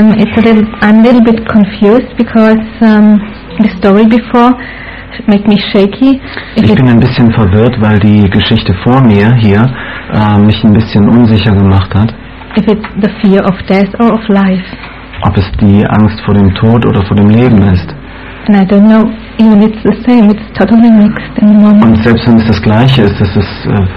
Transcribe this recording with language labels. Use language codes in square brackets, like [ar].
[en] I'm a little bit confused because the story before made me shaky. [de] Ich bin ein bisschen verwirrt, weil die Geschichte vor mir hier mich ein bisschen unsicher gemacht hat. [en] if it's the fear of death or of life. [de] Ob es die Angst vor dem Tod oder vor dem Leben ist. [en] And I don't know, even it's the same, it's totally mixed in the moment. [de] Und selbst wenn es das gleiche ist, das ist